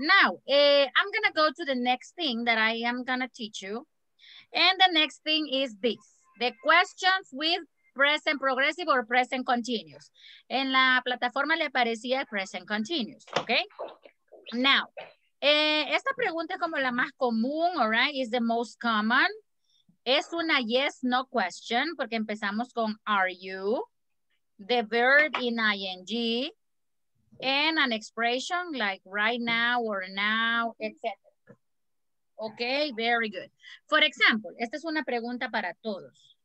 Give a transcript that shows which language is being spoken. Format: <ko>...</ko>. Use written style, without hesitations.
<en>Now, I'm going to go to the next thing that I am going to teach you. And the next thing is this. The questions with present progressive or present continuous.</en> <es>En la plataforma le aparecía</es> <en>present continuous,</en> <es>okay? Now, esta pregunta es como la más común,</es> <en>all right? Is the most common.</en> <es>Es una</es> <en>yes, no question,</en> <es>porque empezamos con</es> <en>are you. The verb in ing and an expression like right now or now, etc. Okay, very good. For example,</en> <es>esta es una pregunta para todos.</es>